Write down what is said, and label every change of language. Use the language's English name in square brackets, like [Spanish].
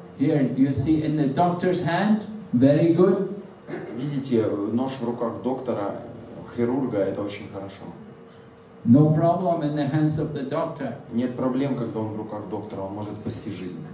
[English] Here you see in the doctor's hand, very good. [Russian] Видите, нож в руках доктора, хирурга, это очень хорошо. [English] No problem in the hands of the doctor. [Russian] Нет проблем, когда он в руках доктора, он может спасти жизнь.